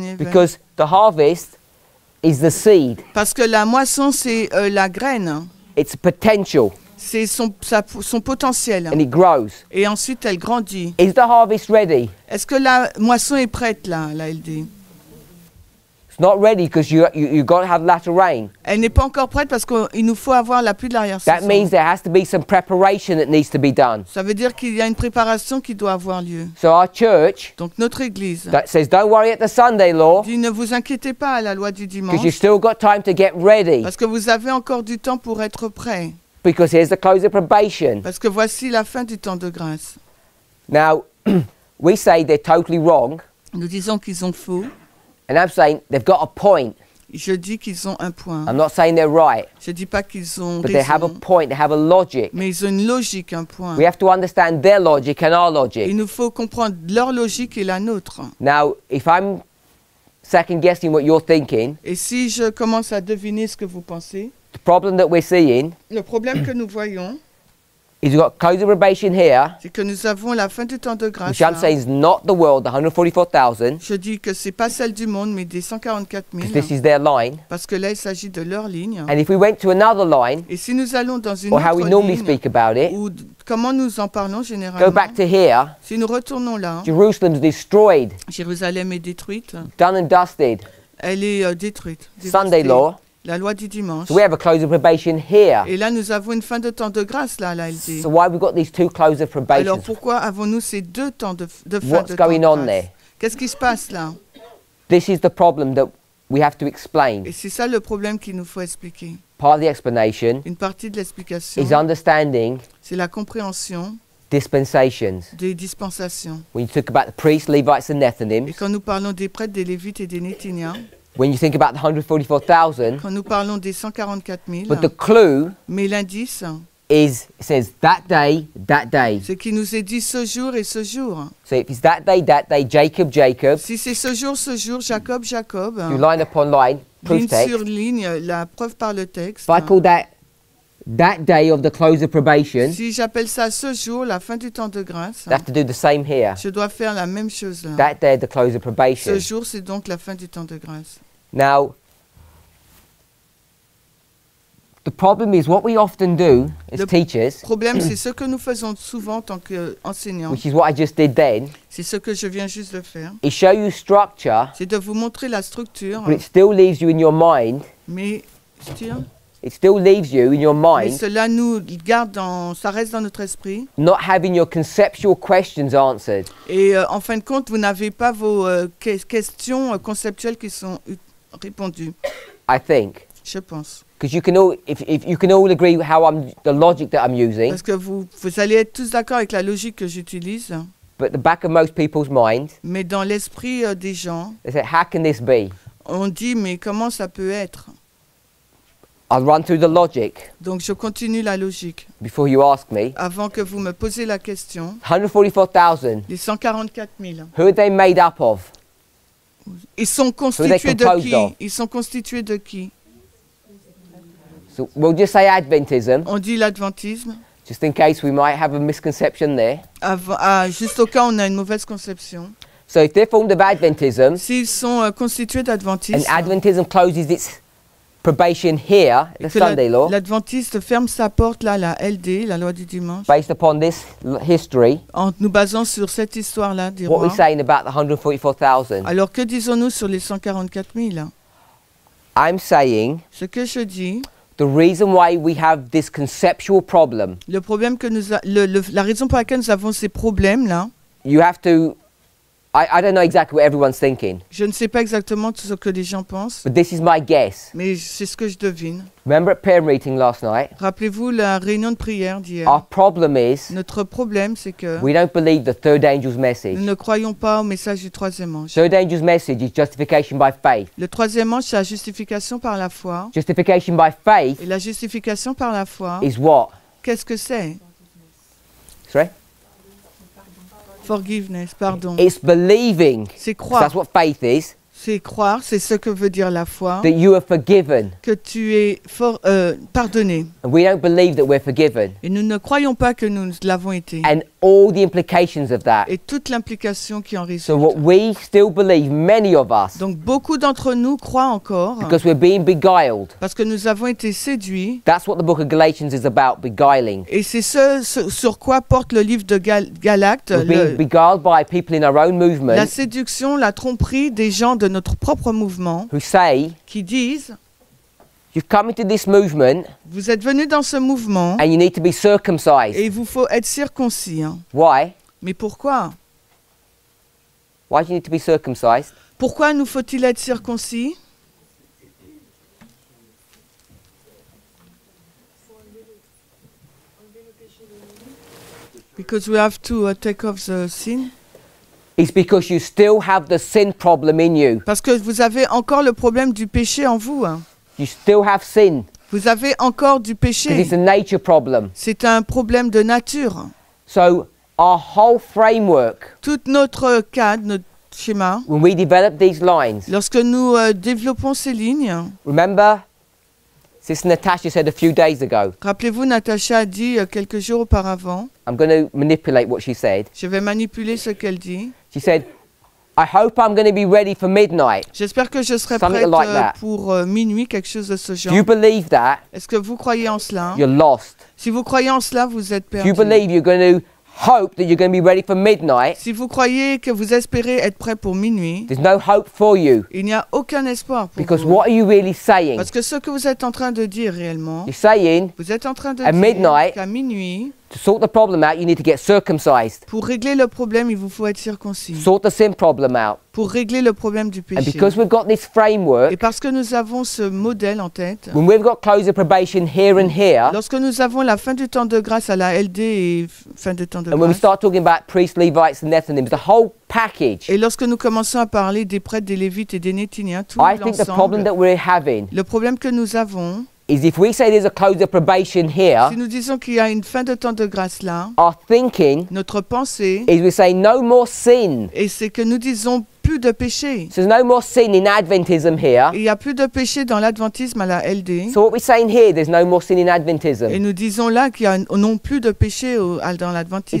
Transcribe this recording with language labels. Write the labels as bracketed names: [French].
[English] Because the harvest. Is the seed. [French] Parce que la moisson, c'est la graine. [English] It's potential. [French] C'est son potentiel. [English] And it grows. [French] Et ensuite, elle grandit. [English] Is the harvest ready? [French] Est-ce que la moisson est prête, là, la LD? [English] It's not ready because you've got to have latter rain. [French] Elle n'est pas encore prête parce qu'il nous faut avoir la pluie de l'arrière-saison. [English] That means there has to be some preparation that needs to be done. [French] Ça veut dire qu'il y a une préparation qui doit avoir lieu. [English] So our church. [French] Donc notre église. [English] That says don't worry at the Sunday law. [French] Dit ne vous inquiétez pas à la loi du dimanche. [English] Because you've still got time to get ready. [French] Parce que vous avez encore du temps pour être prêt. [English] Because here's the close of probation. [French] Parce que voici la fin du temps de grâce. [English] Now, we say they're totally wrong. [French] Nous disons qu'ils ont faux. [English] And I'm saying they've got a point. [French] Je dis qu'ils ont un point. [English] I'm not saying they're right. [French] Je dis pas qu'ils ont [English] but [French] raison. [English] They have a point, they have a logic. [French] Mais ils ont une logique, un point. [English] We have to understand their logic and our logic. [French] Il nous faut comprendre leur logique et la nôtre. [English] Now, if I'm second guessing what you're thinking. [French] Et si je commence à deviner ce que vous pensez. [English] The problem that we're seeing. [French] Le problème que nous voyons. [English] Is we've got close of probation here. [French] C'est que nous avons la fin du temps de grâce. [English] Which I'm saying is not the world, the 144,000. [French] Je dis que c'est pas celle du monde, mais des 144 000. [English] Because this is their line. [French] Parce que là, il s'agit de leur ligne. [English] And if we went to another line. [French] Et si nous allons dans une [English] or how we normally speak about it. [French] Ou comment nous en parlons généralement. [English] Go back to here. [French] Si nous retournons là. [English] Jerusalem's destroyed. [French] Jérusalem est détruite. [English] Done and dusted. [French] Elle est détruite. [English] Sunday law. [French] La loi du dimanche. [English] So we have a close of probation here. [French] Et là, nous avons une fin de temps de grâce, là, à la LD. [English] So why we got these two close of probation? [French] Alors, pourquoi avons-nous ces deux temps de fin [English] what's [French] de temps de grâce? [English] What's going on there? [French] Qu'est-ce qui se passe, là? [English] This is the problem that we have to explain. [French] Et c'est ça le problème qu'il nous faut expliquer. [English] Part of the explanation [French] une partie de l'explication [English] is understanding [French] c'est la compréhension [English] dispensations. [French] Des dispensations. [English] When you talk about the priests, Levites and Nethinims. [French] Et quand nous parlons des prêtres, des Lévites et des Néthiniens. [English] When you think about the 144,000. [French] Quand nous parlons des 144,000. [English] But the clue. [French] Mais l'indice. [English] Is it says that day, that day. [French] Ce qui nous est dit ce jour et ce jour. [English] So if it's that day, Jacob, Jacob. [French] Si c'est ce jour, Jacob, Jacob. [English] You line upon line, proof [French] ligne [English] text. [French] Sur ligne, la preuve par le texte. [English] If I call that day of the close of probation. [French] Si j'appelle ça ce jour, la fin du temps de grâce. [English] You have to do the same here. [French] Je dois faire la même chose là. [English] That day, the close of probation. [French] Ce jour, c'est donc la fin du temps de grâce. [English] Now. The problem is what we often do as [French] Le [English] teachers. [French] Le problème c'est ce que nous faisons souvent en tant que enseignants. [English] Which is what I just did then. [French] C'est ce que je viens juste de faire. [English] Is show you structure. [French] C'est de vous montrer la structure. [English] But it still leaves you in your mind. [French] Mais [English] still. It still leaves you in your mind. [French] Mais cela nous garde dans, ça reste dans notre esprit. [English] Not having your conceptual questions answered. [French] Et en fin de compte, vous n'avez pas vos questions conceptuelles qui sont répondues. [English] I think. [French] Je pense. [English] Because you can all, if you can all agree with how I'm the logic that I'm using. [French] Parce que vous allez être tous d'accord avec la logique que j'utilise. [English] But the back of most people's minds. [French] Mais dans l'esprit des gens. [English] They say, how can this be? [French] On dit, mais comment ça peut être? [English] I'll run through the logic. [French] Donc je continue la logique. [English] Before you ask me. [French] Avant que vous me posiez la question. [English] 144,000. [French] Les 144,000. [English] Who are they made up of? [French] Ils sont constitués de qui? Ils sont constitués de qui? [English] So we'll just say Adventism. [French] On dit l'adventisme. [English] Just in case we might have a misconception there. [French] Juste au cas on a une mauvaise conception. [English] So if they're formed of Adventism. [French] S'ils sont constitués d'adventisme. [English] And Adventism closes its probation here, the Sunday law. [French] L'adventiste ferme sa porte là, la LD, la loi du dimanche. [English] Based upon this history. [French] En nous basant sur cette histoire là, [English] what we saying about the 144,000? [French] Alors que disons-nous sur les 144,000? [English] I'm saying. [French] Ce que je dis. [English] The reason why we have this conceptual problem. [French] Le problème que nous a, la raison pour laquelle nous avons ces problèmes là. [English] You have to. I don't know exactly what everyone's thinking. [French] Je ne sais pas exactement tout ce que les gens pensent. [English] But this is my guess. [French] Mais c'est ce que je devine. [English] Remember at prayer meeting last night. [French] Rappelez-vous la réunion de prière d'hier. [English] Our problem is. [French] Notre problème c'est que. [English] We don't believe the third angel's message. [French] Nous ne croyons pas au message du troisième ange. [English] Third angel's message is justification by faith. [French] Le troisième ange c'est la justification par la foi. [English] Justification by faith. [French] Et la justification par la foi. [English] Is what? [French] Qu'est-ce que c'est? [English] Sorry. Forgiveness, pardon. It's believing. [French] C'est croire. [English] That's what faith is. [French] C'est croire, c'est ce que veut dire la foi. [English] That you are forgiven. [French] Que tu es pardonné. [English] And we don't believe that we're forgiven. [French] Et nous ne croyons pas que nous l'avons été. [English] And all the implications of that. [French] Et toute l'implication qui en résulte. [English] So what we still believe, many of us. [French] Donc beaucoup d'entre nous croient encore. [English] Because we're being beguiled. [French] Parce que nous avons été séduits. [English] That's what the book of Galatians is about, beguiling. [French] Et c'est ce sur quoi porte le livre de Galates. [English] We're being beguiled by people in our own movement. [French] La séduction, la tromperie des gens de notre propre mouvement. [English] Who say. [French] Qui disent. [English] You've come into this movement. [French] Vous êtes venu dans ce mouvement. [English] And you need to be circumcised. [French] Et il vous faut être circoncis. Hein. [English] Why? [French] Mais pourquoi? [English] Why do you need to be circumcised? [French] Pourquoi nous faut-il être circoncis? [English] Because we have to take off the sin. It's because you still have the sin problem in you. [French] Parce que vous avez encore le problème du péché en vous. Hein. [English] You still have sin. [French] Vous avez encore du péché. [English] It is a nature problem. [French] C'est un problème de nature. [English] So our whole framework. [French] Tout notre cadre, notre schéma. [English] When we develop these lines. [French] Lorsque nous développons ces lignes. [English] Remember, Sister Natasha said a few days ago. [French] Rappelez-vous, Natasha a dit quelques jours auparavant. [English] I'm going to manipulate what she said. [French] Je vais manipuler ce qu'elle dit. [English] She said. I hope I'm going to be ready for midnight. [French] J'espère que je serai [English] Something [French] prête [English] like that. [French] Pour minuit, quelque chose de ce genre. [English] Do you believe that? [French] Est-ce que vous croyez en cela? [English] You're lost. [French] Si vous croyez en cela, vous êtes perdu. [English] Do you believe you're going to hope that you're going to be ready for midnight? [French] Si vous croyez que vous espérez être prêt pour minuit. [English] There's no hope for you. [French] Il n'y a aucun espoir pour [English] Because [French] vous. [English] Because what are you really saying? [French] Parce que ce que vous êtes en train de dire réellement. [English] You're saying. [French] Vous êtes en train de [English] at [French] dire [English] midnight, [French] qu'à minuit. [English] To sort the problem out, you need to get circumcised. [French] Pour régler le problème, il vous faut être circoncis. [English] Sort the sin problem out. [French] Pour régler le problème du péché. [English] And because we've got this framework, [French] et parce que nous avons ce modèle en tête, [English] when we've got close of probation here and here, [French] lorsque nous avons la fin du temps de grâce à la LD et fin du temps de [English] and [French] grâce, [English] when we start talking about priests, Levites, and Netinim, the whole package, [French] et lorsque nous commençons à parler des prêtres, des Lévites et des Nétiniens, tout [English] I [French] l'ensemble, [English] think the problem that we're having, [French] le problème que nous avons, [English] is if we say there's a close of probation here, [French] si nous disons qu'il y a une fin de temps de grâce là, [English] our thinking, [French] notre pensée, [English] is we say no more sin, [French] et c'est que nous disons plus de péché. [English] So there's no more sin in Adventism here. [French] Il y a plus de péché dans l'adventisme à la LD. [English] So what we're saying here, there's no more sin in Adventism. [French] Et nous disons là qu'il y a non plus de péché dans l'adventisme.